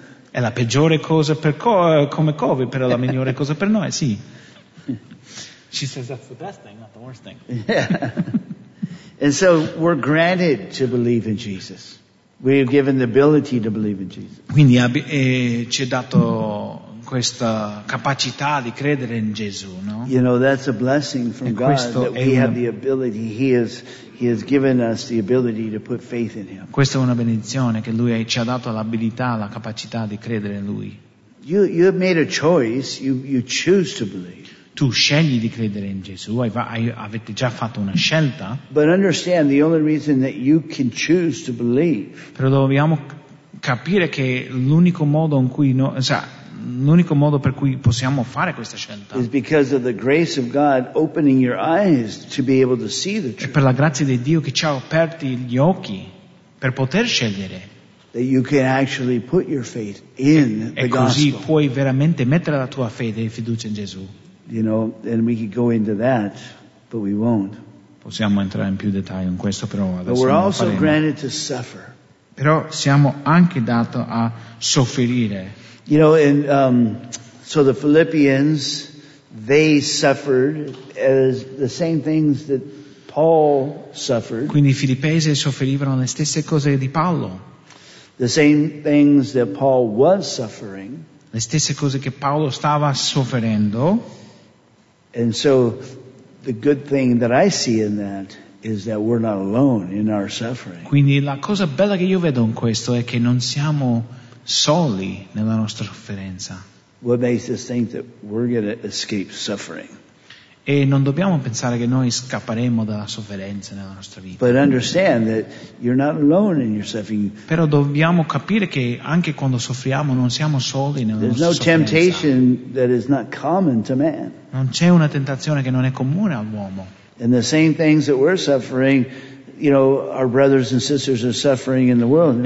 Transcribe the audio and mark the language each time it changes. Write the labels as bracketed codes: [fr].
[it] È la peggiore cosa per come COVID, però la migliore cosa per noi, sì. [en] She says that's the best thing, not the worst thing. Yeah. And so we're granted to believe in Jesus. We are given the ability to believe in Jesus. [it] Quindi ci è dato questa capacità di credere in Gesù, no? [en] You know, that's a blessing from God that we have the ability. He has given us the ability to put faith in Him. [it] Questa è una benedizione che Lui ci ha dato l'abilità, la capacità di credere in Lui. [en] You have made a choice. You choose to believe. [it] Tu scegli di credere in Gesù, avete già fatto una scelta. [en] But understand the only reason that you can choose to believe. [it] Però dobbiamo capire che l'unico modo in cui l'unico modo per cui possiamo fare questa scelta [en] is because of the grace of God opening your eyes to be able to see the truth. [it] È per la grazia di Dio che ci ha aperti gli occhi per poter scegliere. [en] That you can actually put your faith in the gospel. [it] E così puoi veramente mettere la tua fede e fiducia in Gesù. [en] You know, and we could go into that, but we won't. [it] Possiamo entrare in più dettaglio in questo, però adesso non faremo. [en] But we're also granted to suffer. [it] Però siamo anche dato a soffrire. [en] You know, and so the Philippians, they suffered as the same things that Paul suffered. [it] Quindi i Filippesi soffrivano le stesse cose di Paolo. [en] The same things that Paul was suffering. [it] Le stesse cose che Paolo stava soffrendo. [en] And so the good thing that I see in that is that we're not alone in our suffering. [it] Quindi la cosa bella che io vedo in questo è che non siamo soli nella nostra sofferenza. [en] What makes us think that we're going to escape suffering? [it] E non dobbiamo pensare che noi scapperemo dalla sofferenza nella nostra vita. [en] But understand that you're not alone in your suffering. [it] Però dobbiamo capire che anche quando soffriamo non siamo soli nella nostra sofferenza. [en] There's no temptation that is not common to man. [it] Non c'è una tentazione che non è comune all'uomo. [en] And the same things that we're suffering, you know, our brothers and sisters are suffering in the world.